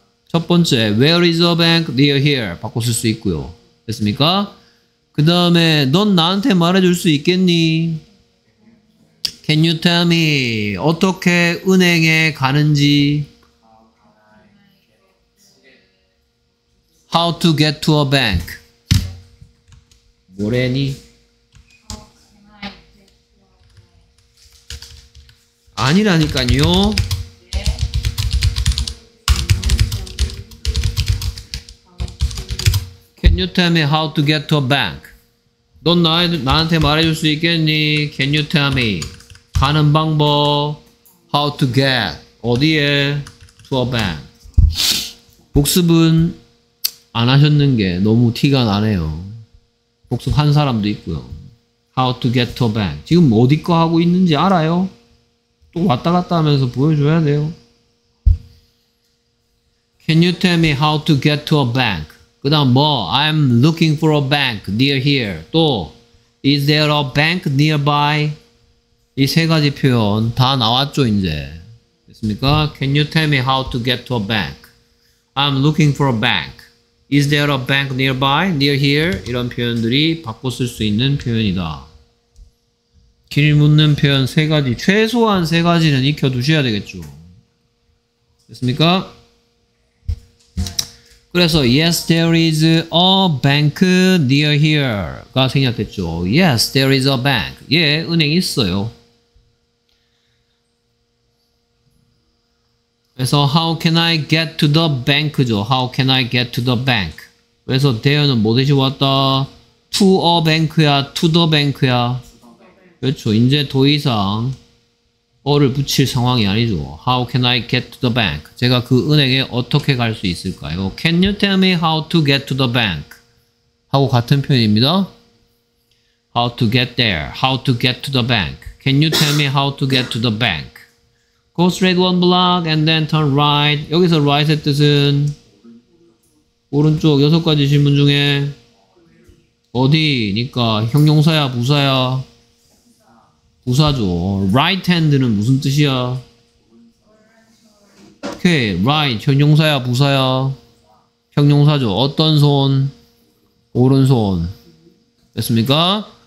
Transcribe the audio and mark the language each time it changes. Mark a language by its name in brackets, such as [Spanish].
[Korean] 첫 번째, [English] where is a bank near here? [Korean] 바꿔 쓸 수 있고요. 됐습니까? 그 다음에 넌 나한테 말해줄 수 있겠니? [English] Can you tell me [Korean] 어떻게 은행에 가는지? [English] How to get to a bank? [Korean] 뭐래니? 아니라니까요. 네. [English] Can you tell me how to get to a bank? [Korean] 넌 나한테 말해줄 수 있겠니? [English] Can you tell me [Korean] 가는 방법? [English] How to get [Korean] 어디에 [English] to a bank? [Korean] 복습은 안 하셨는 게 너무 티가 나네요. 복습 한 사람도 있고요. [English] How to get to a bank? [Korean] 지금 어디 거 하고 있는지 알아요? 또 왔다 갔다 하면서 보여줘야 돼요. [English] Can you tell me how to get to a bank? [Korean] 그 다음 뭐? [English] I'm looking for a bank near here. 또 Is there a bank nearby? [Korean] 이 세 가지 표현 다 나왔죠 이제. 됐습니까? [English] Can you tell me how to get to a bank? I'm looking for a bank. Is there a bank nearby? Near here? [Korean] 이런 표현들이 바꿔 쓸 수 있는 표현이다. 길 묻는 표현 세 가지, 최소한 세 가지는 익혀두셔야 되겠죠. 됐습니까? [English] 그래서 Yes, there is a bank near here가 [Korean] 생략됐죠. [English] Yes, there is a bank. [Korean] 예, 은행 있어요. [English] 그래서 How can I get to the bank죠. How can I get to the bank? [Korean] 그래서 there는 뭐 대신 왔다? To a bank야, to the bank야. 그렇죠. 이제 더 이상 어를 붙일 상황이 아니죠. [English] How can I get to the bank? [Korean] 제가 그 은행에 어떻게 갈 수 있을까요? [English] Can you tell me how to get to the bank? [Korean] 하고 같은 표현입니다. [English] How to get there? How to get to the bank? Can you tell me how to get to the bank? Go straight one block and then turn right. [Korean] 여기서 right의 뜻은 오른쪽 여섯 가지 질문 중에 어디니까 형용사야 부사야? 부사죠. Right hand는 무슨 뜻이야? Okay, right. 형용사야, 부사야? 형용사죠. 어떤 손? 오른손. 됐습니까?